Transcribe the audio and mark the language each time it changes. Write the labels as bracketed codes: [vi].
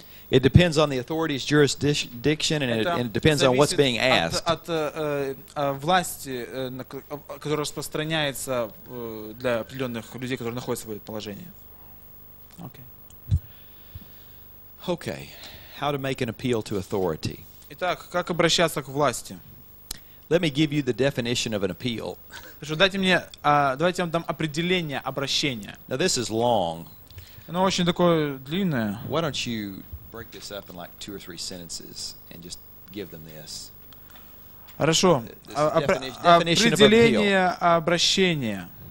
[en] It depends on the authority's jurisdiction, and it depends on what's being asked. [ru] От власти, которая распространяется для определенных людей, которые находятся в этом положении. [en] Okay. Okay. How to make an appeal to authority? [ru] Итак, как обращаться к власти? [en] Let me give you the definition of an appeal. [ru] Дайте мне, давайте я вам дам определение обращения. [en] Now this is long. [ru] Оно очень такое длинное. [en] Why don't you break this up in like two or three sentences and just give them this? [ru] Хорошо. Определение обращения.